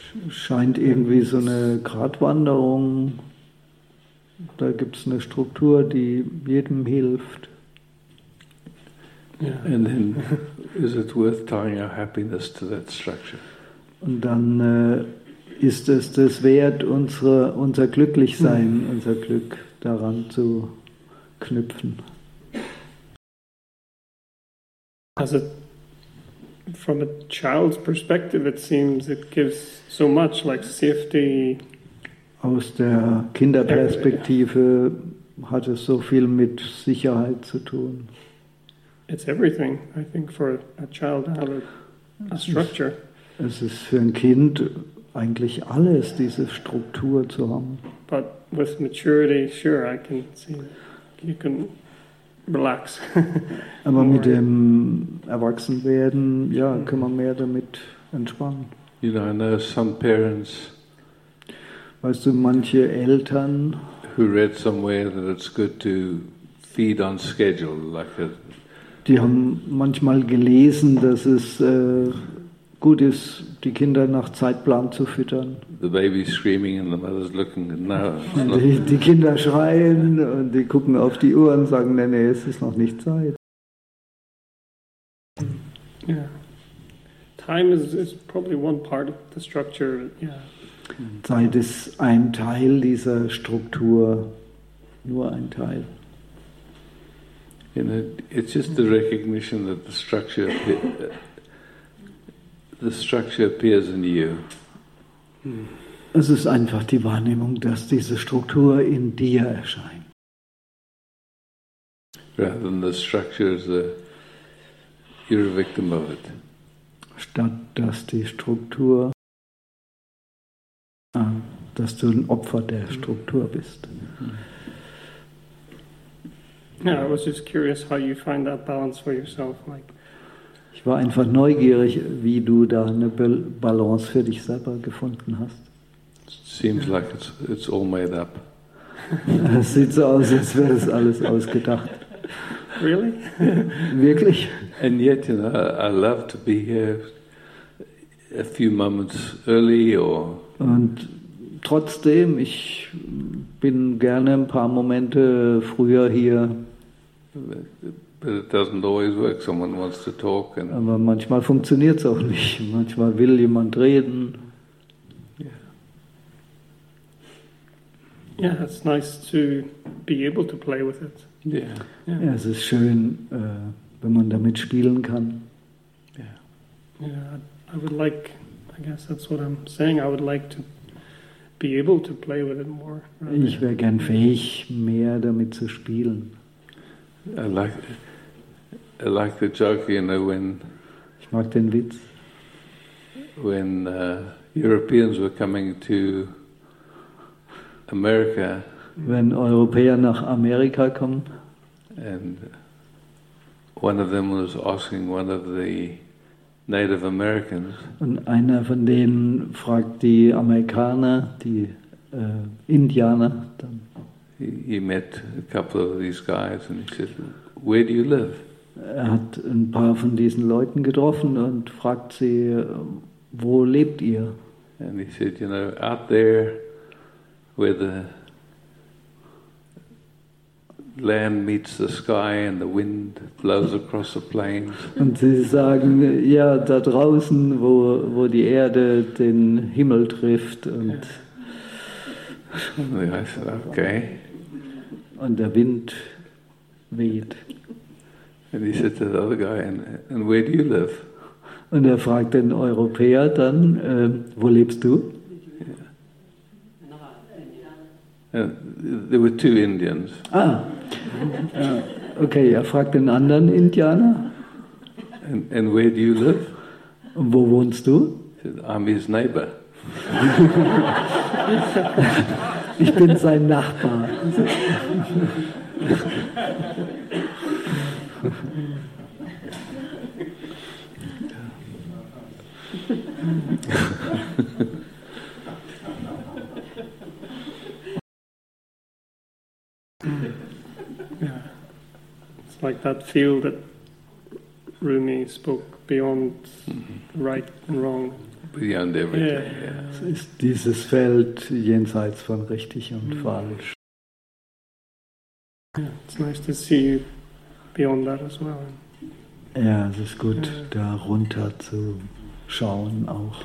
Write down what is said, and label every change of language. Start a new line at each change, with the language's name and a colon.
German: Scheint irgendwie so eine Gratwanderung. Da gibt es eine Struktur, die jedem hilft.
English: Yeah. And then, is it worth tying our happiness to that structure?
German: Und dann ist es das wert, unser Glücklichsein, unser Glück daran zu knüpfen.
English: Has it? From a child's perspective, it seems it gives so much, like safety.
German: Aus der Kinderperspektive hat es so viel mit Sicherheit zu tun.
English: It's everything, I think, for a child to have a structure.
German: Es ist für ein Kind eigentlich alles, diese Struktur zu haben.
English: But with maturity, sure, I can see you can relax.
German: Aber mit dem Erwachsenwerden, ja, kann man mehr damit entspannen.
English: You know, I know some parents.
German: Weißt du, manche Eltern.
English: Who read somewhere that it's good to feed on schedule, like a.
German: Die haben manchmal gelesen, dass es gut ist, die Kinder nach Zeitplan zu füttern.
English: The baby's screaming and the mother's looking at no.
German: Die Kinder schreien und die gucken auf die Uhr und sagen, nee, nee, es ist noch nicht Zeit.
English: Yeah. Time is probably one part of the structure. Yeah.
German: Zeit ist ein Teil dieser Struktur. Nur ein Teil.
English: You know, it's just the recognition that the structure appears in you.
German: Es ist einfach die Wahrnehmung, dass diese Struktur in dir erscheint.
English: Rather than the structure is you're a victim of it.
German: Statt dass die Struktur, dass du ein Opfer der Struktur bist.
English: Yeah, I was just curious how you find that balance for yourself, like.
German: Ich war einfach neugierig, wie du da eine Balance für dich selber gefunden hast.
English: Seems like it's all made up.
German: Es sieht so aus, als wäre es alles ausgedacht.
English: Really?
German: Wirklich?
English: And yet, you know, I love to be here a few moments early or.
German: Und trotzdem, ich bin gerne ein paar Momente früher hier.
English: But it doesn't always work. Someone wants to talk. And
German: aber manchmal funktioniert's auch nicht. Manchmal will jemand reden.
English: Yeah, it's nice to be able to play with it. Yeah.
German: Ja, es ist schön, wenn man damit spielen kann.
English: Yeah. I would like. I guess that's what I'm saying. I would like to be able to play with it more.
German: Ich wäre gern fähig, mehr damit zu spielen.
English: I like the joke, you know, when.
German: Ich mag den Witz.
English: When Europeans were coming to America.
German: Wenn Europäer nach Amerika kommen.
English: And one of them was asking one of the Native Americans.
German: Und einer von denen fragt die Amerikaner, die Indianer. Dann.
English: He met a couple of these guys and he said, "Where do you live?"
German: Er hat ein paar von diesen Leuten getroffen und fragt sie, wo lebt ihr?
English: And he said, "You know, out there where the land meets the sky and the wind blows across the plains."
German: Und sie sagen, ja, da draußen, wo die Erde den Himmel trifft und
English: I said, okay.
German: Und der Wind weht.
English: And he said to the other guy, "And where do you live?"
German: Und er fragt den Europäer dann, wo lebst du?
English: There were two Indians.
German: Ah, okay, er fragt den anderen Indianer.
English: And where do you live?
German: Und wo wohnst du?
English: He said, "I'm his neighbor."
German: Ich bin sein Nachbar.
English: Like that feel that Rumi spoke beyond mm-hmm. right and wrong. Beyond everything. Yeah. Es
German: ist dieses Feld jenseits von richtig und falsch.
English: Yeah, it's nice to see you beyond that as well.
German: Ja, es ist gut, darunter zu schauen auch.